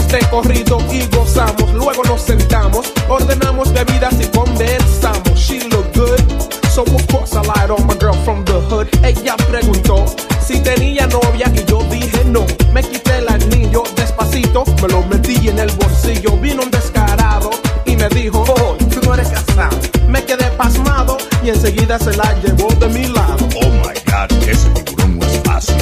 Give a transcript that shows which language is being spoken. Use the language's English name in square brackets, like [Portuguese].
[Spanish] Corrido y gozamos, luego nos sentamos, ordenamos bebidas y conversamos. [English] She look good, so of course I lied on my girl from the hood. [Spanish] Ella preguntó si tenía novia y yo dije no. Me quité el anillo despacito, me lo metí en el bolsillo. Vino un descarado y me dijo, oh, tú no eres casado. Me quedé pasmado y enseguida se la llevó de mi lado. [English] Oh my God, [Spanish] ese tiburón no es fácil.